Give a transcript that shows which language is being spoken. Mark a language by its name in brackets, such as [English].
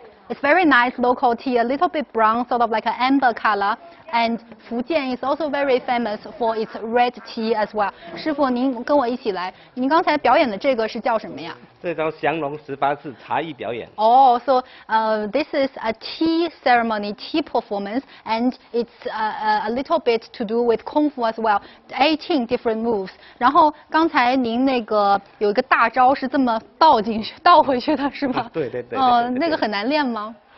[English] It's very nice local tea, a little bit brown, sort of like an amber color. And Fujian is also very famous for its red tea as well. [Chinese] 师傅，您跟我一起来，您刚才表演的这个是叫什么呀？这招降龙十八式茶艺表演。 [English] Oh, so this is a tea ceremony, tea performance, and it's a little bit to do with kung fu as well. 18 different moves. [Chinese] 然后刚才您那个有一个大招是这么倒进去、倒回去的，是吧？对对对。那个很难练吗？